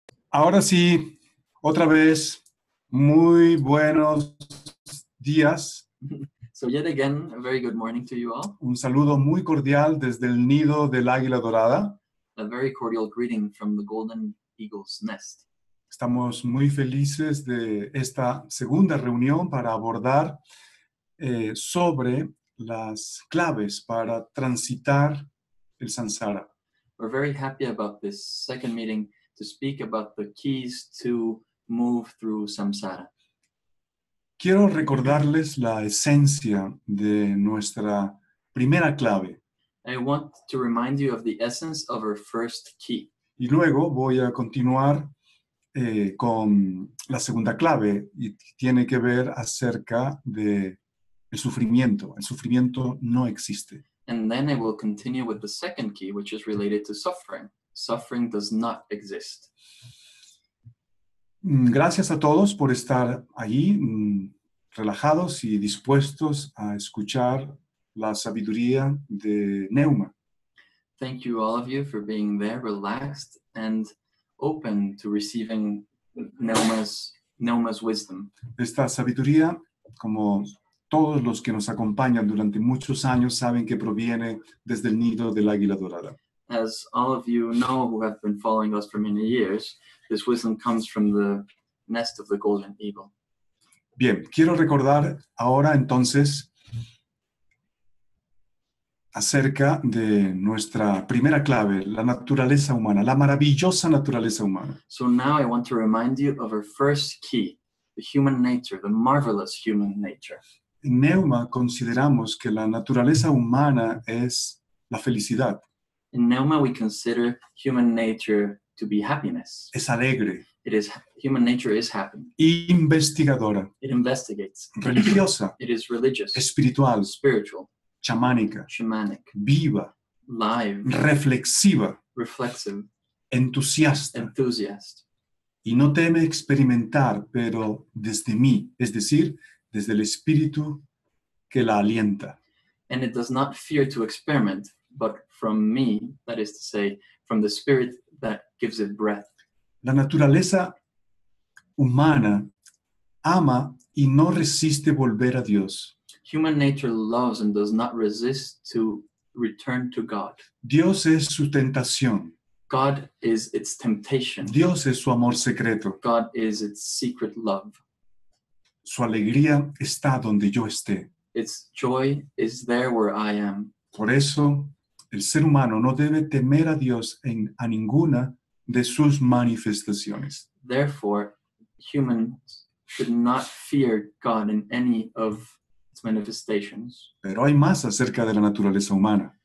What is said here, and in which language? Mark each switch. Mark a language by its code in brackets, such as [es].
[es] Ahora sí, otra vez, muy buenos días. [en] So yet again, a very good morning to you all. [es] Un saludo muy cordial desde el nido del águila dorada. [en] A very cordial greeting from the golden eagle's nest. [es] Estamos muy felices de esta segunda reunión para abordar sobre las claves para transitar el samsara. [en] We're very happy about this second meeting to speak about the keys to move through samsara. [es] Quiero recordarles la esencia de nuestra primera clave. [en] I want to remind you of the essence of our first key. [es] Y luego voy a continuar con la segunda clave y tiene que ver acerca de el sufrimiento. El sufrimiento no existe. [en] And then I will continue with the second key, which is related to suffering. Suffering does not exist. [es] Gracias a todos por estar allí, relajados y dispuestos a escuchar la sabiduría de Neuma. [en] Thank you, all of you, for being there, relaxed and open to receiving Neuma's wisdom. [es] Esta sabiduría, como todos los que nos acompañan durante muchos años saben, que proviene desde el nido del águila dorada. [en] As all of you know who have been following us for many years, this wisdom comes from the nest of the golden eagle. [es] Bien, quiero recordar ahora entonces acerca de nuestra primera clave, la naturaleza humana, la maravillosa naturaleza humana. [en] So now I want to remind you of our first key, the human nature, the marvelous human nature. [es] En Neuma consideramos que la naturaleza humana es la felicidad. [en] In Neuma we consider human nature to be happiness. [es] Es alegre. [en] It is, human nature is happy. [es] Investigadora. [en] It investigates. [es] Religiosa. [en] It is religious. [es] Espiritual. [en] Spiritual. [es] Chamánica. [en] Shamanic. [es] Viva. [en] Live. [es] Reflexiva. [en] Reflexive. [es] entusiasta. [en] Enthusiast. [es] Y no teme experimentar, pero desde mí, es decir, desde el espíritu que la alienta. [en] And it does not fear to experiment, but from me, that is to say, from the spirit that gives it breath. [es] La naturaleza humana ama y no resiste volver a Dios. [en] Human nature loves and does not resist to return to God. [es] Dios es su tentación. [en] God is its temptation. [es] Dios es su amor secreto. [en] God is its secret love. [es] Su alegría está donde yo esté. [en] Its joy is there where I am. [es] Por eso, el ser humano no debe temer a Dios en a ninguna de sus manifestaciones. [en] Therefore, humans should not fear God in any of its manifestations. [es] Pero hay más acerca de la naturaleza humana.